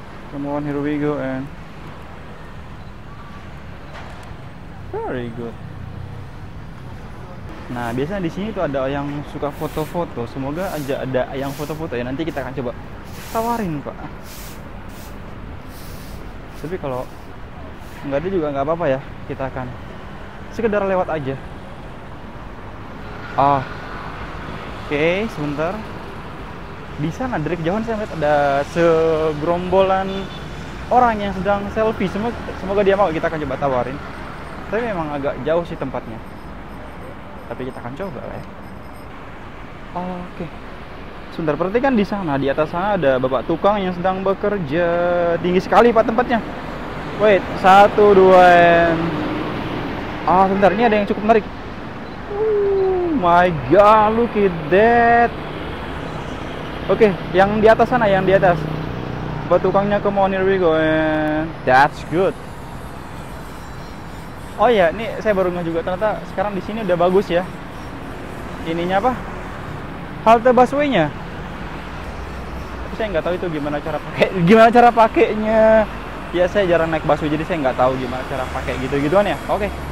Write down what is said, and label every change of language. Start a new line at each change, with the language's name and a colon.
English: Come on, here we go and very good.
Indonesian: Nah, biasanya di sini tuh ada yang suka foto-foto. Semoga aja ada yang foto-foto ya. Nanti kita akan coba tawarin, Pak. Tapi kalau nggak ada juga nggak apa-apa ya, kita akan sekedar lewat aja. Oke, sebentar. Di sana dari kejauhan saya melihat ada segerombolan orang yang sedang selfie. Semoga dia mau, kita akan coba tawarin. Tapi memang agak jauh sih tempatnya, tapi kita akan coba lah ya. Oke, sebentar, perhatikan di sana, di atas sana ada bapak tukang yang sedang bekerja. Tinggi sekali Pak tempatnya.
English: Wait, 1, 2, and
Indonesian: sebentar, ini ada yang cukup menarik.
English: Oh my god, look at that.
Indonesian: Okay, yang di atas sana, yang di atas.
English: Buat tukangnya, come on, here we go, and that's good.
Indonesian: Oh iya, ini saya baru ngeh juga, ternyata sekarang di sini udah bagus ya. Ininya apa? Halte busway-nya. Tapi saya nggak tahu itu gimana cara pakainya. Ya saya jarang naik busway, jadi saya nggak tahu gimana cara pakai gitu-gituan ya. Oke. Okay.